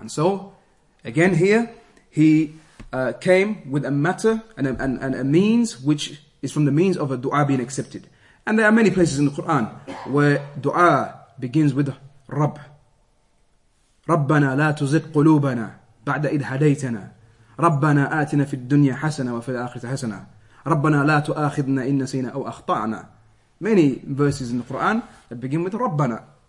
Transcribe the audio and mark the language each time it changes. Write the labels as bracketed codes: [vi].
[en] And so, again here, he came with a matter and a means which is from the means of a dua being accepted. And there are many places in the Quran where dua begins with Rabb. [ar] Rabbana la tuzigh qulubana ba'da idh hadaytana. ربنا آتنا في الدنيا حسنة وفي الآخرة حسنة ربنا لا تؤاخذنا إن نسينا أو أخطأنا. [en] Many verses in the Quran that begin with ربنا.